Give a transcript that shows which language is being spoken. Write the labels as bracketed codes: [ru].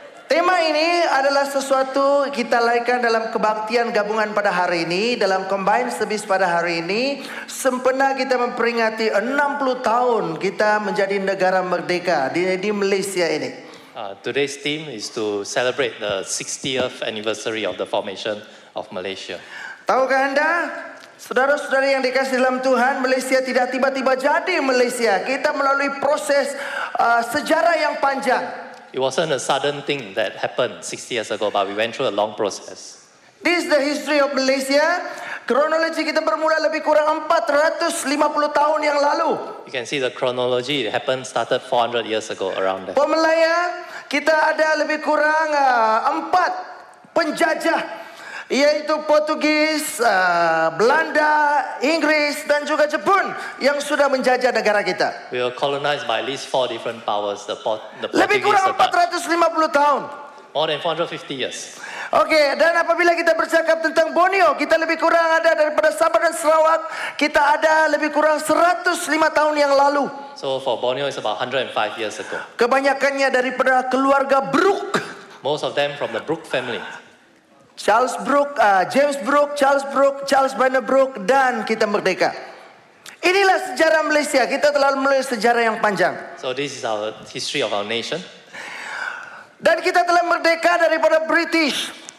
[ms] Tema ini adalah sesuatu kita laikan dalam kebaktian gabungan pada hari ini, dalam [en] combined service [ms] pada hari ini, sempena kita memperingati 60 tahun kita menjadi negara merdeka di Malaysia ini. [en] Today's theme is to celebrate the 60th anniversary of the formation of Malaysia. [ms] Tahukah anda, saudara-saudara yang dikasih dalam Tuhan, Malaysia tidak tiba-tiba jadi Malaysia. Kita melalui proses sejarah yang panjang. [en] It wasn't a sudden thing that happened 60 years ago, but we went through a long process. This is the history of Malaysia. [ms] Kronologi kita bermula lebih kurang 450 tahun yang lalu. [en] You can see the chronology. It happened, started 400 years ago, around there. [ms] Pemelaya, kita ada lebih kurang 4 penjajah, yaitu Portugis, Belanda, Inggris, dan juga Jepun yang sudah menjajah negara kita. [en] We were colonized by at least 4 different powers, the Portuguese. [ms] Lebih kurang 450 tahun. [en] More than 450 years. [ms] Okay, dan apabila kita bercakap tentang Borneo, kita lebih kurang ada daripada Sabah dan Sarawak, kita ada lebih kurang 105 tahun yang lalu. [en] So for Borneo it's about 105 years ago. [ms] Kebanyakannya daripada keluarga Brook. [en] Most of them from the Brook family. [ms] Charles Brooke, James Brooke, Charles Brooke, Charles Brenner Brooke, dan kita merdeka. Inilah sejarah Malaysia. Kita telah melalui sejarah yang panjang. [en] So this is our history of our nation. [ms] Dan kita telah merdeka daripada British.